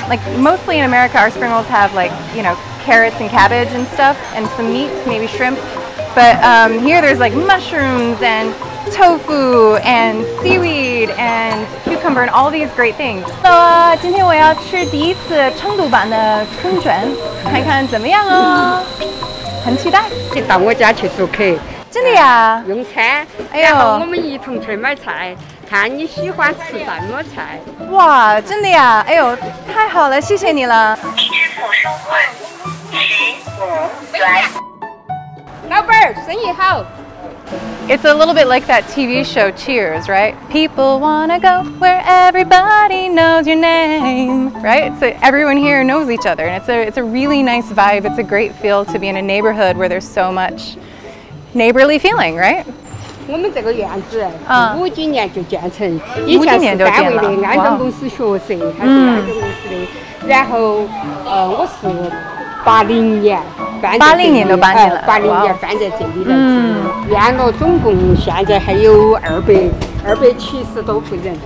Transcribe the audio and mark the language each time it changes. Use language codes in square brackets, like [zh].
[en] Like mostly in America, our spring rolls have like, you know, carrots and cabbage and stuff and some meat, maybe shrimp. But here there's like mushrooms and tofu and seaweed and cucumber and all these great things. So, today I'm going to eat the first Chengdu version of chun juan. Let's see how it goes. I'm very excited. Come to my house to eat. [zh] 真的呀，用餐，然后我们一同去买菜，看你喜欢吃什么菜。哇，真的呀，哎呦，太好了，谢谢你了。老板儿，生意好。 [en] It's a little bit like that TV show Cheers, right? People wanna go where everybody knows your name, right? So everyone here knows each other, and it's a really nice vibe. It's a great feel to be in a neighborhood where there's so much neighborly feeling, right? [zh] 我们这个院子五几年就建成，以前是单位的安装公司学设，它是安装公司的。然后，我是80年。 80年都搬来了，搬在这里来住。院落总共现在还有270多户人。